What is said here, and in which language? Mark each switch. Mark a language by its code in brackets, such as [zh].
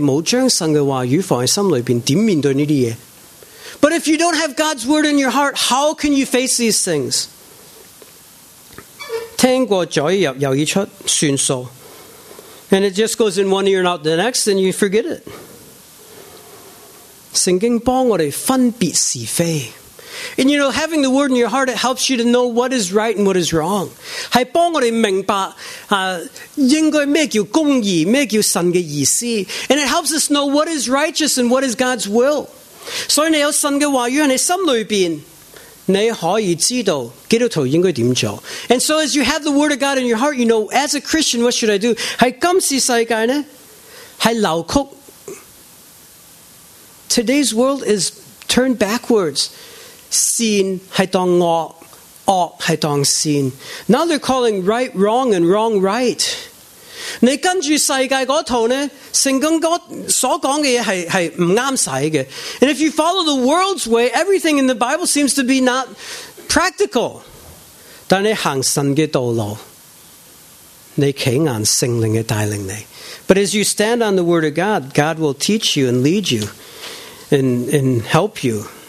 [zh] 但是如果你没有将神的话语放在心里边,怎么面对这些? [en] But if you don't have God's word in your heart, how can you face these things? [zh] 听过嘴入又已出算数, [en] and it just goes in one ear and out the next, and you forget it. [zh] 圣经帮我们分别是非. [en] And you know, having the word in your heart, it helps you to know what is right and what is wrong. [zh] 是帮我们明白应该什么叫公义,什么叫神的意思. [en] And it helps us know what is righteous and what is God's will. [zh] 所以你有神的话语在你心里边, 你可以知道基督徒应该怎么做. [en] And so as you have the word of God in your heart, you know, as a Christian, what should I do? [zh] 在今世世界呢, 是扭曲. [en] Today's world is turned backwards. [zh] 善是当恶, 恶是当善. [en] Now they're calling right wrong and wrong right. [zh] 你跟着世界那一套呢, 圣经所说的是不合适的. [en] And if you follow the world's way, everything in the Bible seems to be not practical. [zh] 但你行神的道路, [en] But as you stand on the Word of God, God will teach you and lead you and help you.